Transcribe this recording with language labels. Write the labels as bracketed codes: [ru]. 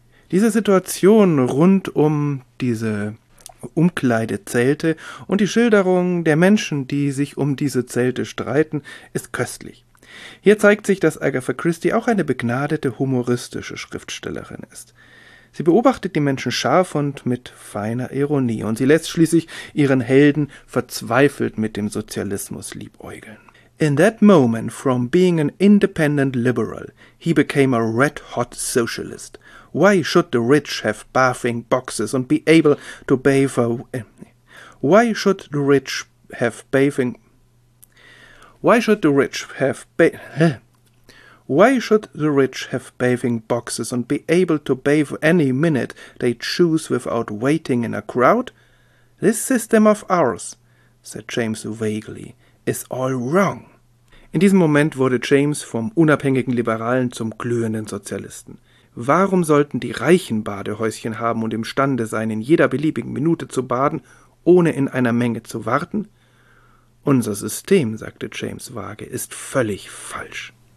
[de] Diese Situation rund um diese Umkleidezelte und die Schilderung der Menschen, die sich um diese Zelte streiten, ist köstlich. Hier zeigt sich, dass Agatha Christie auch eine begnadete humoristische Schriftstellerin ist. Sie beobachtet die Menschen scharf und mit feiner Ironie und sie lässt schließlich ihren Helden verzweifelt mit dem Sozialismus liebäugeln. [en] In that moment from being an independent liberal, he became a red-hot socialist. Why should the rich have bathing boxes and be able to bathe a... Why should the rich have bathing... Why should the rich have... Why should the rich have bathing boxes and be able to bathe any minute they choose without waiting in a crowd? This system of ours, said James vaguely, is all wrong. [de] In diesem Moment wurde James vom unabhängigen Liberalen zum glühenden Sozialisten. Warum sollten die Reichen Badehäuschen haben und imstande sein, in jeder beliebigen Minute zu baden, ohne in einer Menge zu warten? Unser System, sagte James vage, ist völlig falsch.